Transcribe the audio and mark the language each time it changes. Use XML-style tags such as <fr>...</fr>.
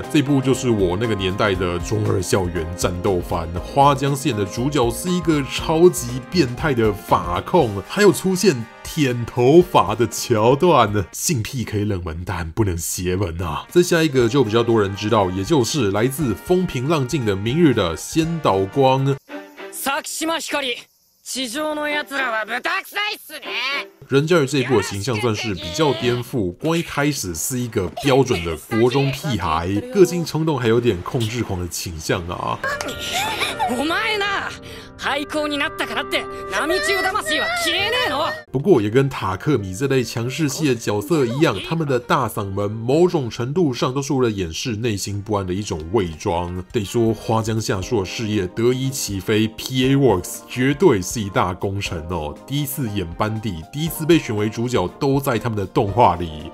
<zh>这部就是我那个年代的中二校园战斗番，花江饰演的主角是一个超级变态的法控，还有出现舔头发的桥段。性癖可以冷门，但不能邪门啊！再下一个就比较多人知道，也就是来自《风平浪静的明日》的仙岛光。</zh> <ja>佐久島ひかり。地上のやつらは豚臭いっすね。</ja> <zh>人家与这一部的形象算是比较颠覆，光一开始是一个标准的国中屁孩，个性冲动还有点控制狂的倾向啊。</zh> <ja>お前な、廃校になったからって波中魂は消えねえの。</ja> <zh>不过也跟塔克米这类强势系的角色一样，他们的大嗓门某种程度上都是为了掩饰内心不安的一种伪装。得说花江夏树的事业得以起飞 ，PA Works 绝对是一大功臣哦。第一次演班底，第一次被选为主角，都在他们的动画里。</zh>